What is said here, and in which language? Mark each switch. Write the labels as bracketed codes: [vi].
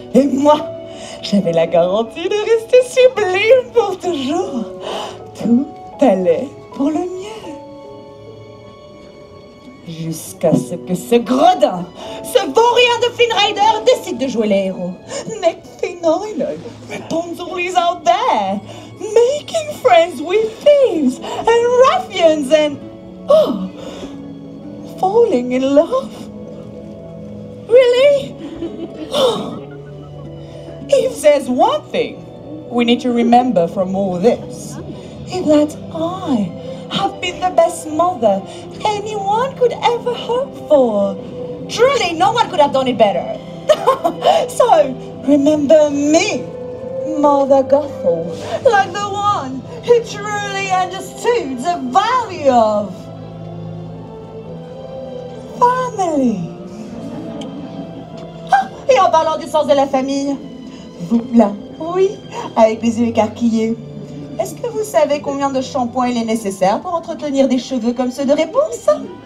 [fr] Et moi, j'avais la garantie de rester sublime pour toujours! Tout allait pour le mieux! Jusqu'à ce que ce gredin, ce vaurien de Finn Rider, décide de jouer les héros. [en] Make Finn Rider, Rapunzel is out there, making friends with thieves and ruffians and... Oh, falling in love? Really? Oh. If there's one thing we need to remember from all this, is that I have been the best mother anyone could ever hope for. Truly, no one could have done it better. So, remember me, Mother Gothel, like the one who truly understood the value of family. [fr] Ah, et en parlant du sens de la famille, vous là, oui, avec les yeux écarquillés. Est-ce que vous savez combien de shampoings il est nécessaire pour entretenir des cheveux comme ceux de Rapunzel?